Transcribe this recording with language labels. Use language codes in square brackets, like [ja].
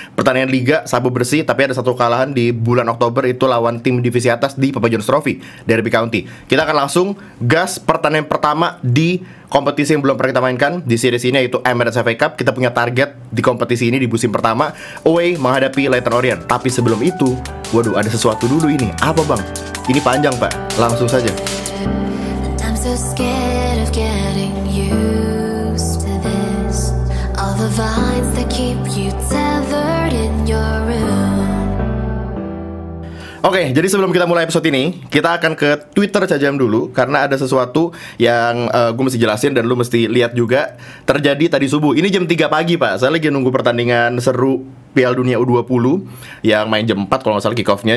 [id] Pertandingan Liga Sabu Bersih, tapi ada satu kalahan di bulan Oktober, itu lawan tim divisi atas di Papa John's Trophy, Derby County. Kita akan langsung gas pertandingan pertama di kompetisi yang belum pernah kita mainkan di series ini, yaitu Emirates FA Cup. Kita punya target di kompetisi ini di musim pertama, away menghadapi Leyton Orient. Tapi sebelum itu, waduh, ada sesuatu dulu ini. Apa bang? Ini panjang pak, langsung saja. [en] So scared of getting used to this, all the vines that keep you tethered in your room. [id] Oke, jadi sebelum kita mulai episode ini, kita akan ke Twitter Cajam dulu, karena ada sesuatu yang gue mesti jelasin dan lu mesti lihat juga. Terjadi tadi subuh, ini jam 3 pagi pak, saya lagi nunggu pertandingan seru Piala Dunia U20 yang main jam 4 kalau gak salah kick-off-nya.